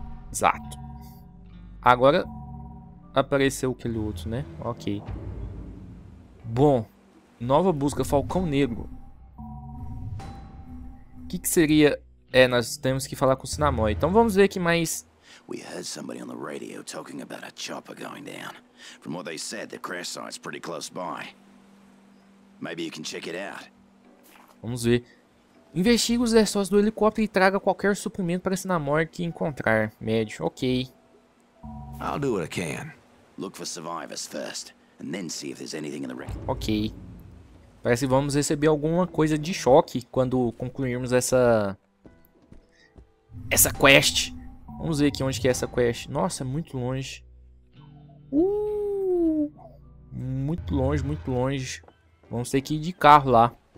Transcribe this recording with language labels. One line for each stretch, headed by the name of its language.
Portuguese: Exato. Agora apareceu aquele outro, né? Ok. Bom. Nova busca. Falcão Negro. O que, que seria... É, nós temos que falar com o Sinamoy. Então vamos ver que mais...
English: We heard somebody on the radio talking about a chopper going down. From what they said, the crash site's pretty close by. Maybe you can check it out.
Portuguese: Vamos ver. Investigue os exócitos do helicóptero e traga qualquer suprimento para Sinamoy que encontrar. Médio. Ok.
English: I'll do what I can. Look for survivors first, and then see if there's anything in the wreck. Ok.
Portuguese: Parece que vamos receber alguma coisa de choque quando concluirmos essa quest. Vamos ver aqui onde que é essa quest. Nossa, é muito longe. Muito longe, muito longe. Vamos ter que ir de carro lá.